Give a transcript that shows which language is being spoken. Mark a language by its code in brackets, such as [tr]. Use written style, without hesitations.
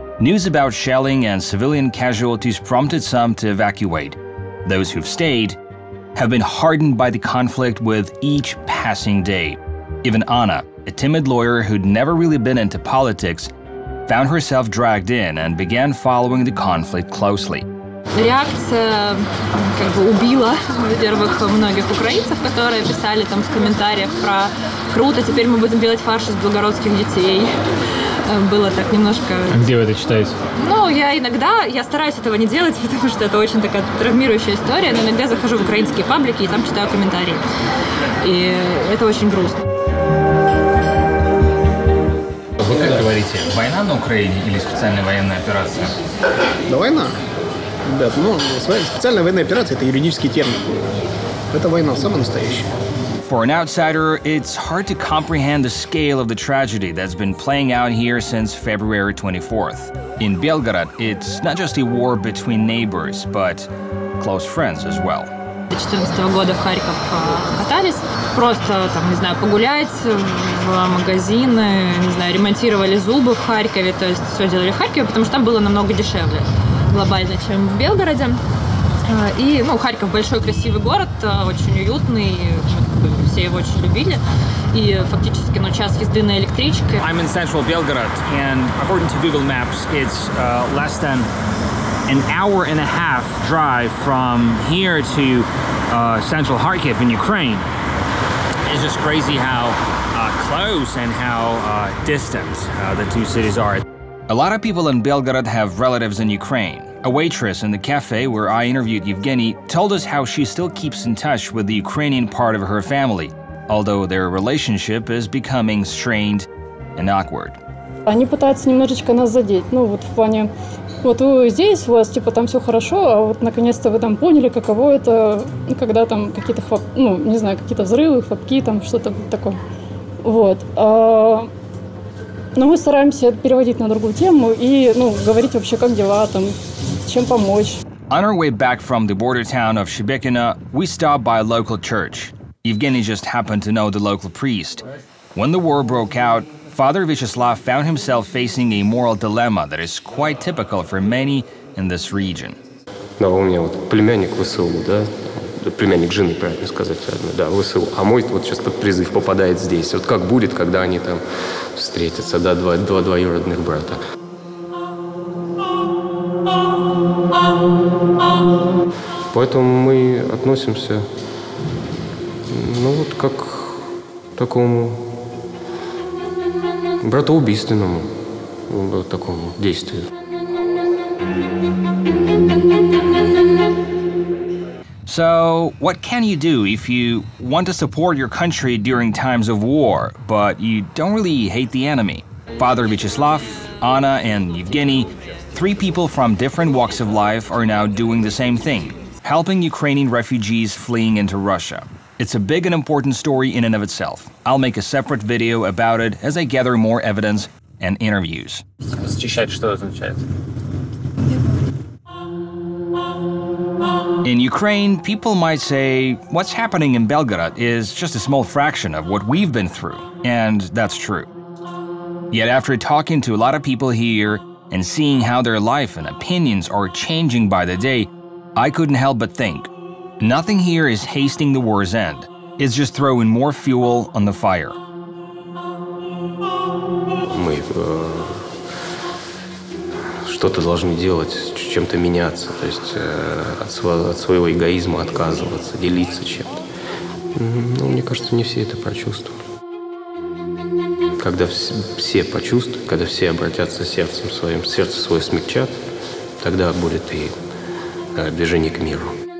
[en] News about shelling and civilian casualties prompted some to evacuate. Those who've stayed have been hardened by the conflict with each passing day. Even Anna, a timid lawyer who'd never really been into politics, found herself dragged in and began following the conflict closely. [ru] Реакция как бы убила, во-первых, многих украинцев, которые писали там в комментариях про «Круто, теперь мы будем делать фарш из белгородских детей». Было так немножко... А где вы это читаете? Ну, я иногда, я стараюсь этого не делать, потому что это очень такая травмирующая история, но иногда захожу в украинские паблики и там читаю комментарии. И это очень грустно. Вы как говорите, война на Украине или специальная военная операция? Да война. Ребят, ну, специальная военная операция – это юридический термин. Это война, самая настоящая. [en] For an outsider, it's hard to comprehend the scale of the tragedy that's been playing out here since February 24th. In Belgorod, it's not just a war between neighbors, but close friends as well. [ru] 14-го года в Харьков катались, просто там, не знаю, погулять в магазины, не знаю, ремонтировали зубы в Харькове, то есть все делали в Харькове, потому что там было намного дешевле глобально, чем в Белгороде. И, ну, Харьков большой красивый город, очень уютный, все его очень любили. И фактически, ну, час езды на электричке. [en] I'm in central Belgorod, and according to Google Maps, it's less than an hour and a half drive from here to central Kharkiv in Ukraine. It's just crazy how close and how distant the two cities are. A lot of people in Belgorod have relatives in Ukraine. A waitress in the cafe where I interviewed Evgeny told us how she still keeps in touch with the Ukrainian part of her family, although their relationship is becoming strained and awkward. [ru] Они пытаются немножечко нас задеть. Ну, вот в плане, вот вы здесь, у вас, типа, там все хорошо, а вот наконец-то вы там поняли, каково это, когда там какие-то, ну, не знаю, какие-то взрывы, хлопки, там что-то такое. Вот. Но мы стараемся переводить на другую тему и, ну, говорить вообще, как дела там, чем помочь. [en] On our way back from the border town of Shebekina, we stopped by a local church. Evgeny just happened to know the local priest. When the war broke out, Father Vyacheslav found himself facing a moral dilemma that is quite typical for many in this region. [ru] Ну, у меня вот племянник ВСУ, да? Племянник жены, правильно сказать, да, ВСУ. А мой вот сейчас под призыв попадает здесь. Вот как будет, когда они там встретятся, да, два двоюродных брата? Поэтому мы относимся, ну, вот как к такому... братоубийственному такому действию. [en] So, what can you do if you want to support your country during times of war, but you don't really hate the enemy? Father Vyacheslav, Anna and Evgeny, three people from different walks of life, are now doing the same thing, helping Ukrainian refugees fleeing into Russia. It's a big and important story in and of itself. I'll make a separate video about it as I gather more evidence and interviews. In Ukraine, people might say what's happening in Belgorod is just a small fraction of what we've been through, and that's true. Yet after talking to a lot of people here and seeing how their life and opinions are changing by the day, I couldn't help but think, nothing here is hastening the war's end. It's just throwing more fuel on the fire. [ru] Мы что-то должны делать, чем-то меняться, то есть от своего эгоизма отказываться, делиться чем-то. Ну, мне кажется, не все это прочувствуют. Когда все почувствуют, когда все обратятся сердцем своим, сердце свое смягчат, тогда будет и движение к миру.